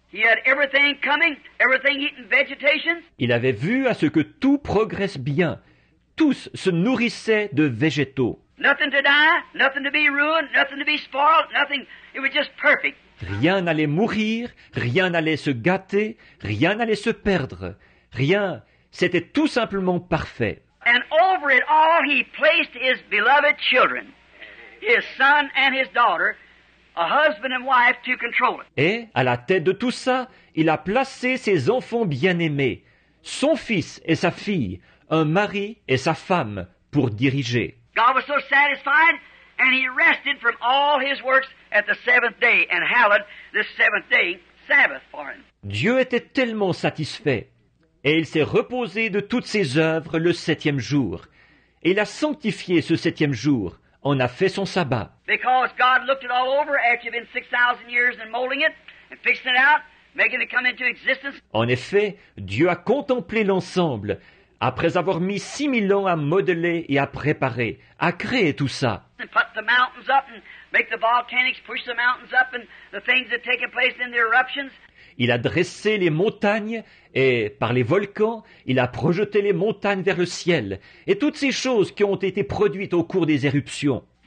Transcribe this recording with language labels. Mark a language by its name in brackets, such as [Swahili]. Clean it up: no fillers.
[English] He had everything coming, everything eating vegetation. [French] Il avait vu à ce que tout progresse bien. Tous se nourrissaient de végétaux. [English] Nothing to die, nothing to be ruined, nothing to be spoiled, nothing. It was just perfect. [French] Rien n'allait mourir, rien n'allait se gâter, rien n'allait se perdre. Rien, c'était tout simplement parfait. [English] And over it all, he placed his beloved children, his son and his daughter, a husband and wife to control it. [French] Et à la tête de tout ça, il a placé ses enfants bien-aimés, son fils et sa fille, un mari et sa femme, pour diriger. [English] God was so satisfied, and he rested from all his works at the seventh day and hallowed the seventh day Sabbath for him. [French] Dieu était tellement satisfait et il s'est reposé de toutes ses œuvres le septième jour. Et il a sanctifié ce septième jour, en a fait son sabbat. [English] Because God looked it all over after you've been 6,000 years and molding it and fixing it out, making it come into existence. [French] En effet, Dieu a contemplé l'ensemble après avoir mis 6,000 ans à modeler et à préparer, à créer tout ça. [English] And put the mountains up and make the volcanics push the mountains up and the things that take place in the eruptions. [French] Il a dressé les montagnes et, par les volcans, il a projeté les montagnes vers le ciel. Et toutes ces choses qui ont été produites au cours des éruptions.